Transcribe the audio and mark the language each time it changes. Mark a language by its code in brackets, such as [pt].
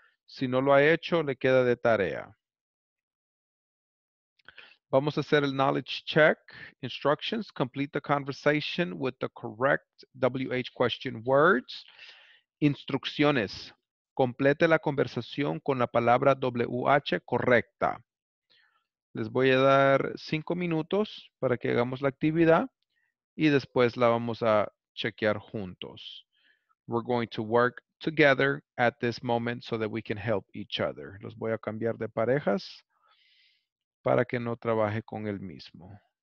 [es] Si no lo ha hecho, le queda de tarea. Vamos a hacer el knowledge check. [en] Instructions, complete the conversation with the correct WH question words. [es] Instrucciones, complete la conversación con la palabra WH correcta. Les voy a dar 5 minutos para que hagamos la actividad y después la vamos a chequear juntos. [en] We're going to work together at this moment so that we can help each other. [es] Los voy a cambiar de parejas para que no trabaje con el mismo.